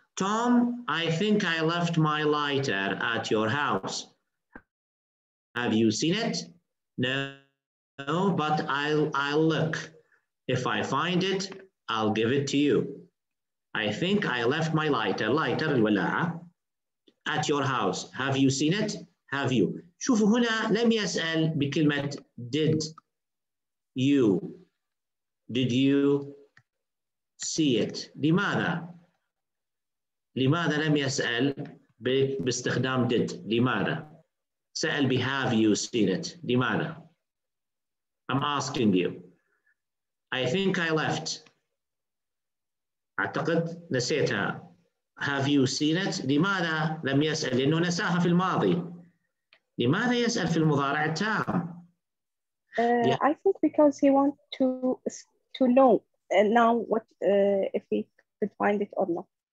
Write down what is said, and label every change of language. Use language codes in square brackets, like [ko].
[en] Tom, I think I left my lighter at your house. Have you seen it? No, but I'll look. If I find it, I'll give it to you. I think I left my lighter, lighter [ar] الولاعة [en] at your house. Have you seen it? Have you? [ar] شوفوا هنا لم يسأل بكلمة [en] did you. Did you see it? [ar] لماذا؟ لماذا لم يسأل باستخدام did؟ لماذا؟ سأل بي [en] have you seen it؟ [ar] لماذا؟ [en] I'm asking you. I think I left. [ar] أعتقد نسيتها. [en] Have you seen it؟ [ar] لماذا لم يسأل؟ لأنه نساها في الماضي. لماذا يسأل في المضارع التام؟ [en] I think because he wants to know now what if he could find it or not.